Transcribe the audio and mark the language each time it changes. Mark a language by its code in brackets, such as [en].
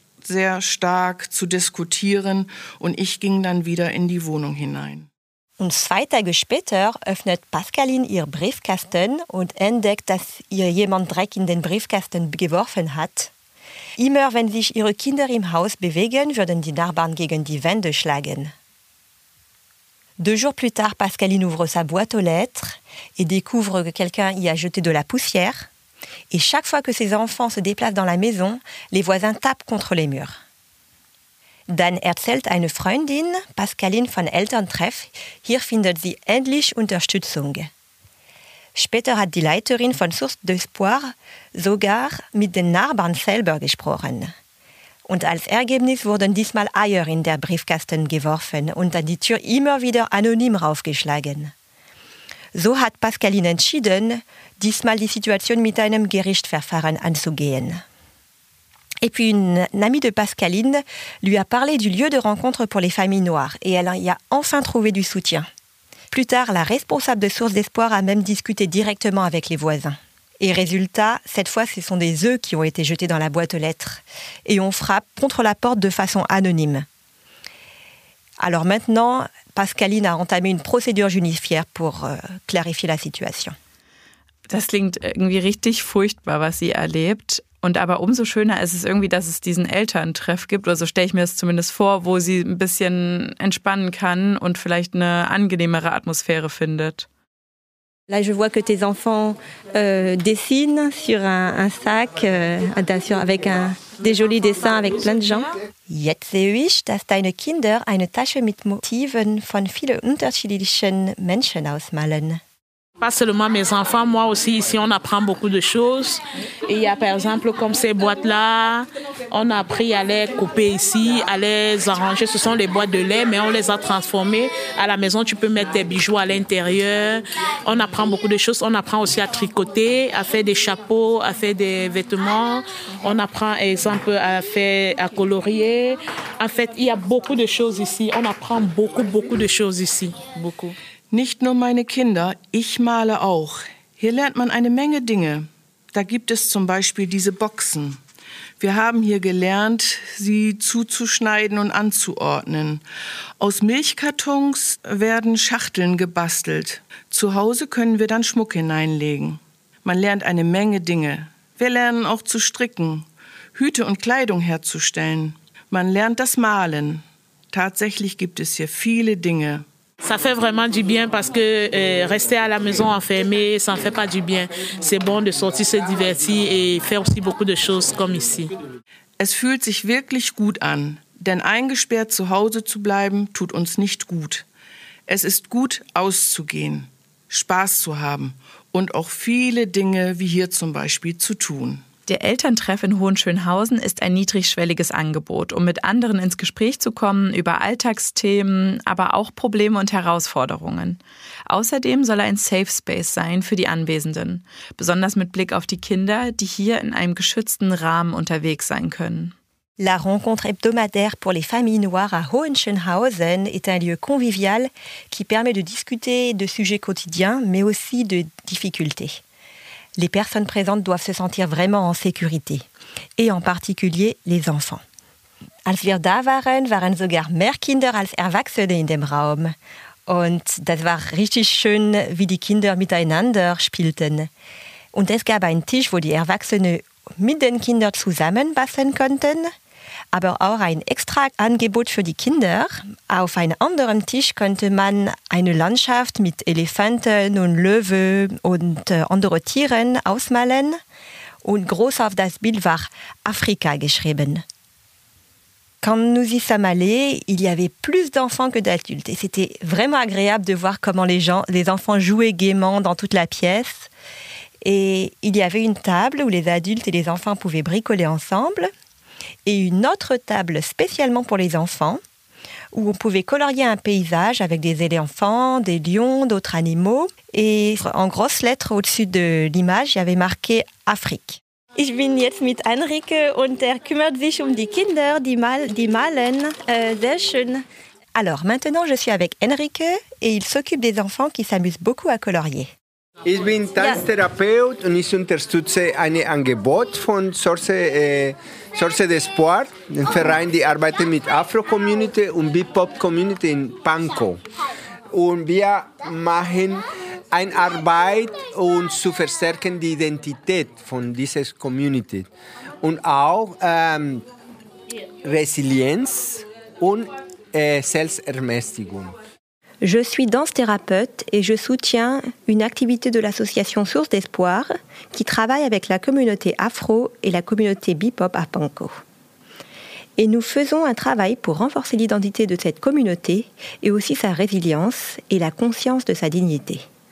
[de] sehr stark zu diskutieren und ich ging dann wieder in die Wohnung hinein. Und zwei Tage später öffnet Pascaline ihr Briefkasten und entdeckt, dass ihr jemand Dreck in den Briefkasten geworfen hat. Immer wenn sich ihre Kinder im Haus bewegen, würden die Nachbarn gegen die Wände schlagen. [fr] Deux jours plus tard, Pascaline ouvre sa boîte aux lettres et découvre que quelqu'un y a jeté de la poussière. Et chaque fois que ses enfants se déplacent dans la maison, les voisins tapent contre les murs. [de] Dann erzählt eine Freundin, Pascaline von Elterntreff, hier findet sie endlich Unterstützung. Später hat die Leiterin von Source d'Espoir sogar mit den Nachbarn selber gesprochen. Und als Ergebnis wurden diesmal Eier in der Briefkasten geworfen und an die Tür immer wieder anonym raufgeschlagen. So hat Pascaline entschieden, diesmal die Situation mit einem Gerichtsverfahren anzugehen. [fr] Et puis une amie de Pascaline lui a parlé du lieu de rencontre pour les familles noires et elle y a enfin trouvé du soutien. Plus tard, la responsable de Source d'Espoir a même discuté directement avec les voisins. Et résultat, cette fois, ce sont des œufs qui ont été jetés dans la boîte aux lettres et on frappe contre la porte de façon anonyme. Alors maintenant, Pascaline a entamé une procédure judiciaire pour clarifier la situation. [de] Das klingt irgendwie richtig furchtbar, was sie erlebt. Und aber umso schöner ist es irgendwie, dass es diesen Elterntreff gibt, oder so stelle ich mir das zumindest vor, wo sie ein bisschen entspannen kann und vielleicht eine angenehmere Atmosphäre findet. [fr] Là, je vois que tes enfants dessinent sur un sac avec des jolis dessins avec plein de gens. [de] Jetzt sehe ich, dass deine Kinder eine Tasche mit Motiven von vielen unterschiedlichen Menschen ausmalen. [fr] Pas seulement mes enfants, moi aussi, ici, on apprend beaucoup de choses. Et il y a, par exemple, comme ces boîtes-là, on a appris à les couper ici, à les arranger. Ce sont les boîtes de lait, mais on les a transformées. À la maison, tu peux mettre tes bijoux à l'intérieur. On apprend beaucoup de choses. On apprend aussi à tricoter, à faire des chapeaux, à faire des vêtements. On apprend, par exemple, à colorier. En fait, il y a beaucoup de choses ici. On apprend beaucoup, beaucoup de choses ici. Beaucoup. [de] Nicht nur meine Kinder, ich male auch. Hier lernt man eine Menge Dinge. Da gibt es zum Beispiel diese Boxen. Wir haben hier gelernt, sie zuzuschneiden und anzuordnen. Aus Milchkartons werden Schachteln gebastelt. Zu Hause können wir dann Schmuck hineinlegen. Man lernt eine Menge Dinge. Wir lernen auch zu stricken, Hüte und Kleidung herzustellen. Man lernt das Malen. Tatsächlich gibt es hier viele Dinge. [fr] Ça fait vraiment du bien parce que rester à la maison enfermé, ça ne fait pas du bien. C'est bon de sortir, se divertir et faire aussi beaucoup de choses comme ici. [de] Es fühlt sich wirklich gut an, denn eingesperrt zu Hause zu bleiben, tut uns nicht gut. Es ist gut, auszugehen, Spaß zu haben und auch viele Dinge wie hier zum Beispiel zu tun. Der Elterntreff in Hohenschönhausen ist ein niedrigschwelliges Angebot, um mit anderen ins Gespräch zu kommen über Alltagsthemen, aber auch Probleme und Herausforderungen. Außerdem soll er ein Safe Space sein für die Anwesenden, besonders mit Blick auf die Kinder, die hier in einem geschützten Rahmen unterwegs sein können. [fr] La rencontre hebdomadaire pour les familles noires à Hohenschönhausen est un lieu convivial qui permet de discuter de sujets quotidiens, mais aussi de difficultés. Les personnes présentes doivent se sentir vraiment en sécurité, et en particulier les enfants. [de] Als wir da waren, waren sogar mehr Kinder als Erwachsene in dem Raum. Und das war richtig schön, wie die Kinder miteinander spielten. Und es gab einen Tisch, wo die Erwachsene mit den Kindern zusammenbasteln konnten, aber auch ein extra Angebot für die Kinder. Auf einem anderen Tisch konnte man eine Landschaft mit Elefanten und Löwen und anderen Tieren ausmalen. Und groß auf das Bild war Afrika geschrieben. [fr] Quand nous y sommes allés, il y avait plus d'enfants que d'adultes. Et c'était vraiment agréable de voir comment les enfants jouaient gaiement dans toute la pièce. Et il y avait une table où les adultes et les enfants pouvaient bricoler ensemble. Et une autre table spécialement pour les enfants, où on pouvait colorier un paysage avec des éléphants, des lions, d'autres animaux. Et en grosses lettres au-dessus de l'image, il y avait marqué « Afrique ». [de] Ich bin jetzt mit Enrique und er kümmert sich um die Kinder, die malen, sehr schön. [fr] Alors maintenant, je suis avec Enrique et il s'occupe des enfants qui s'amusent beaucoup à colorier. [de] Ich bin Tanztherapeut und ich unterstütze ein Angebot von Source d'Espoir, ein Verein, die arbeitet mit Afro-Community und Bebop-Community in Pankow. Und wir machen eine Arbeit, um zu verstärken die Identität von dieser Community. Und auch Resilienz und Selbstermächtigung. [fr] Je suis danse-thérapeute et je soutiens une activité de l'association Source d'Espoir qui travaille avec la communauté afro et la communauté bebop à Pankow. Et nous faisons un travail pour renforcer l'identité de cette communauté et aussi sa résilience et la conscience de sa dignité.